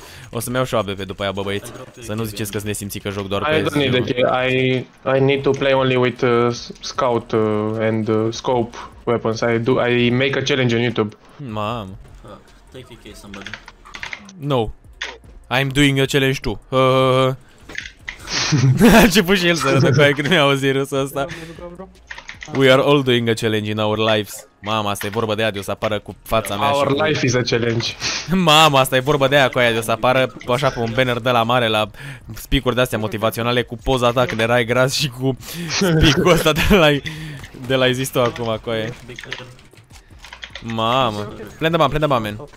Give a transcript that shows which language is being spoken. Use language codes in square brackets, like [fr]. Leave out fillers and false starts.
[ro] O să-mi iau și o ABP după aia, bă, băieți. Să nu ziceți că ne simți că joc doar pe CSGO. [en] I need to play only with scout and scope weapons. I make a challenge on YouTube. Mamă. Take a case, somebody. No. I'm doing a challenge too. [ro] A început și el să râdă cu aia când mi-a auzit râsul ăsta. [en] We are all doing a challenge in our lives. [ro] Mama, asta e vorba de aia, o să apară cu fața mea. [en] Our life is a challenge. [ro] Mama, asta e vorba de aia cu aia, o să apară așa pe un banner de la mare, la speak-uri de-astea motivaționale, cu poza ta când erai gras și cu speak-ul ăsta de la-i zis tu acum cu aia. Mama. Plen de bani.